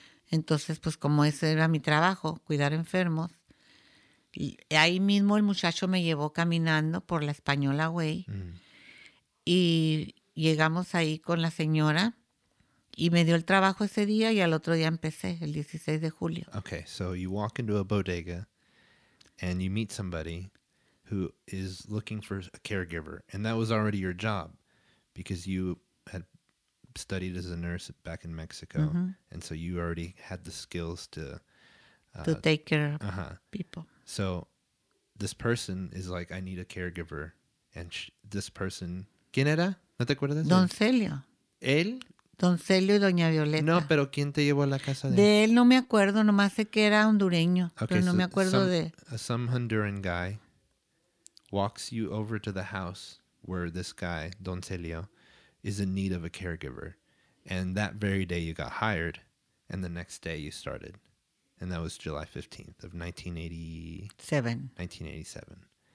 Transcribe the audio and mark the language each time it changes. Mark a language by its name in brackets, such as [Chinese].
[Spanish] Entonces, pues como ese era mi trabajo, cuidar enfermos, y ahí mismo el muchacho me llevó caminando por la Española Way. Mm-hmm. Y... llegamos ahí con la señora y me dio el trabajo ese día y al otro día empecé, el 16 de julio. [English] Okay, so you walk into a bodega and you meet somebody who is looking for a caregiver. And that was already your job because you had studied as a nurse back in Mexico. Mm-hmm. And so you already had the skills to take care of uh-huh. people. So this person is like, I need a caregiver. And this person, [Spanish] ¿quién era? ¿No te acuerdas? Don Celio. ¿Él? Don Celio y Doña Violeta. No, pero ¿quién te llevó a la casa de él? De él no me acuerdo, nomás sé que era hondureño, okay, pero no so me acuerdo [English] some, [Spanish] de... [English] Some Honduran guy walks you over to the house where this guy, Don Celio, is in need of a caregiver. And that very day you got hired, and the next day you started. And that was July 15th of 1987.